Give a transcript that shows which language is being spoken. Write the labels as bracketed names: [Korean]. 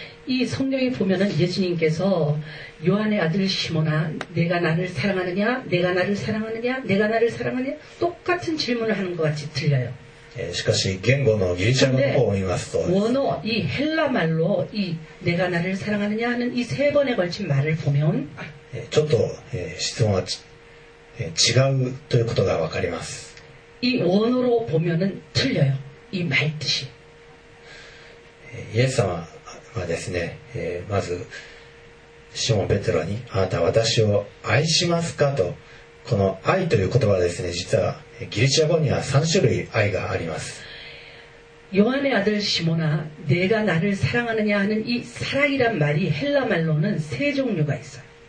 [Korean] 이성경에보면은예수님께서요한의아들시몬아내가나를사랑하느냐내가나를사랑하느냐내가나를사랑하느냐똑같은질문을하는것같이들려요 [Japanese] しかし言語のギリシャ語の方を見ますと [Korean] 원어이헬라말로이내가나를사랑하느냐하는이세번에걸친말을보면 [Japanese] ちょっと質問は違うということがわかります。 [Korean] 이원어로보면은틀려요이말뜻이 [Japanese] イエス様はですねまずシモンペテロにあなたは私を愛しますかとこの愛という言葉はですね実はギリシャ語には3種類愛があります。 [Korean] ヨハネ아들시모나내가나를사랑하느냐하는이사랑이란말이헬라말로는세종류가있어요。